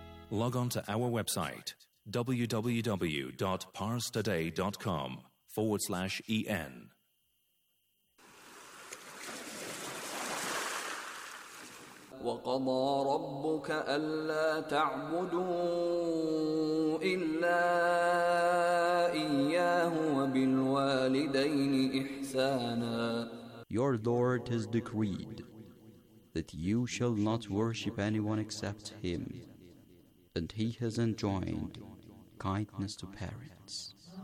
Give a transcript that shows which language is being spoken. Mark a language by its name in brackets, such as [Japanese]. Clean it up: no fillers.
[English] Log on to our website, www.parstoday.com/en. [Arabic] وقضى ربك ألا تعبدوا إلا إياه وبالوالدين إحسانا. [English] Your Lord has decreed that you shall not worship anyone except Him, and He has enjoined kindness to parents.